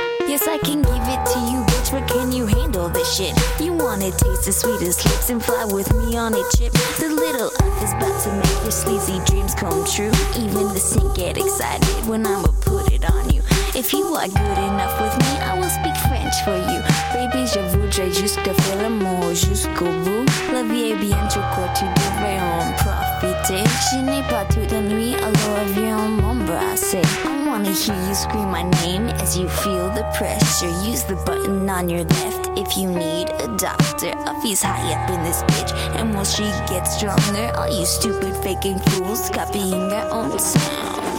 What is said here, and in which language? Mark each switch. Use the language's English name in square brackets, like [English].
[English] Yes, I can give it to you, bitch, but can you handle this shit? You wanna taste the sweetest lips and fly with me on a chip? The little up is about to make your sleazy dreams come true. Even the sink get excited when I'ma put it on you. If you are good enough with me, I will speak French for you. [French] Baby, je voudrais juste faire l'amour jusqu'au bout. La vie est bien trop courte, tu devrais en profiter. Je n'ai pas toute la nuit, alors viens m'embrasser. [English] I wanna hear you scream my name as you feel the pressure. Use the button on your left if you need a doctor. Uffy's high up in this bitch, and will she get stronger? All you stupid faking fools copying their own sound.